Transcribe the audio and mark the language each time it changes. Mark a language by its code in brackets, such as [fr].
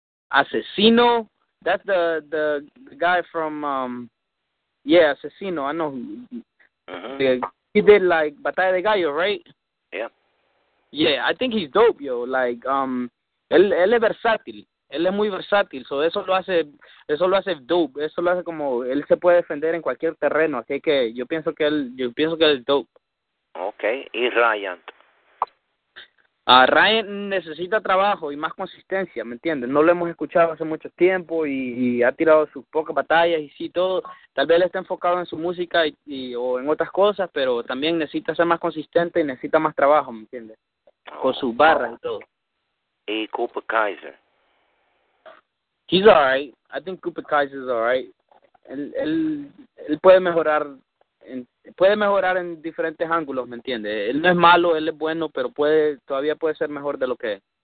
[en] Asesino, that's the guy from, yeah, Asesino, I know. Uh-huh. He did, like, Batalla de Gallo, right? Yeah. Yeah, I think he's dope, yo, like, [es] Él es versátil, él es muy versátil, so eso lo hace dope, eso lo hace como, él se puede defender en cualquier terreno, así que yo pienso que él es dope. Okay, y Ryan. Ryan necesita trabajo y más consistencia, ¿me entiendes? No lo hemos escuchado hace mucho tiempo y ha tirado sus pocas batallas y sí todo, tal vez él está enfocado en su música y o en otras cosas, pero también necesita ser más consistente y necesita más trabajo, ¿me entiendes? Con sus barras y todo. Y Cooper Kaiser. [en] He's alright. I think Cooper Kaiser is alright. [es] Él puede mejorar en diferentes ángulos, ¿me entiendes? Él no es malo, él es bueno, pero todavía puede ser mejor de lo que es.